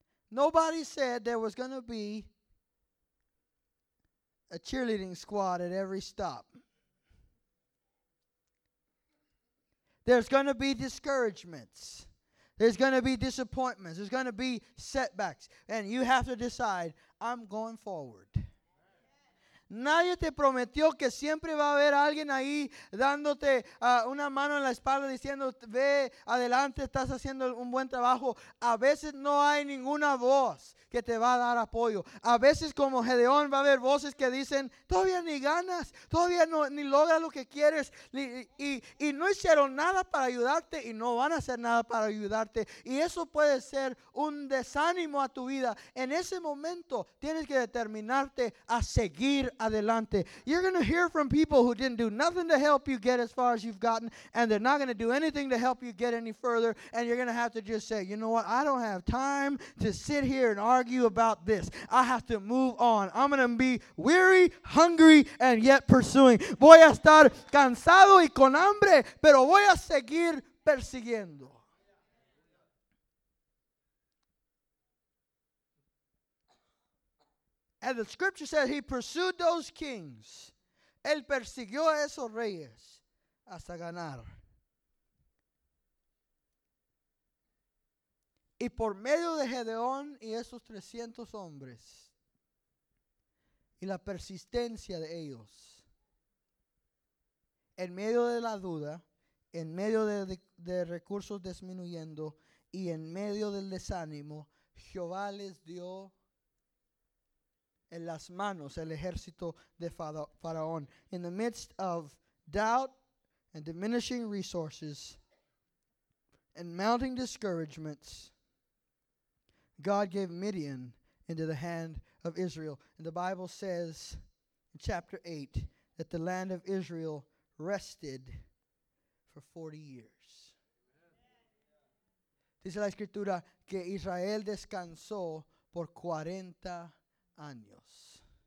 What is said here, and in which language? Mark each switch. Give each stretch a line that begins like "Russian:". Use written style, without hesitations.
English: Nobody said there was going to be a cheerleading squad at every stop. There's going to be discouragements. There's going to be disappointments. There's going to be setbacks. And you have to decide, I'm going forward.
Spanish: Nadie te prometió que siempre va a haber alguien ahí dándote una mano en la espalda diciendo, ve adelante, estás haciendo un buen trabajo. A veces no hay ninguna voz que te va a dar apoyo. A veces, como Gedeón, va a haber voces que dicen, todavía ni ganas, todavía no, ni logras lo que quieres. Y no hicieron nada para ayudarte y no van a hacer nada para ayudarte. Y eso puede ser un desánimo a tu vida. En ese momento, tienes que determinarte a seguir adelante.
English: You're going to hear from people who didn't do nothing to help you get as far as you've gotten, and they're not going to do anything to help you get any further, and you're going to have to just say, you know what, I don't have time to sit here and argue about this. I have to move on. I'm going to be weary, hungry, and yet pursuing.
Spanish: Voy a estar cansado y con hambre, pero voy a seguir persiguiendo.
English: And the scripture said he pursued those kings.
Spanish: Él persiguió a esos reyes hasta ganar. Y por medio de Gedeón y esos 300 hombres y la persistencia de ellos, en medio de la duda, en medio de recursos disminuyendo y en medio del desánimo, Jehová les dio en las manos el ejército de Faraón.
English: In the midst of doubt and diminishing resources and mounting discouragements, God gave Midian into the hand of Israel. And the Bible says in chapter 8 that the land of Israel rested for 40 years.
Spanish: Dice la escritura que Israel descansó por 40 años.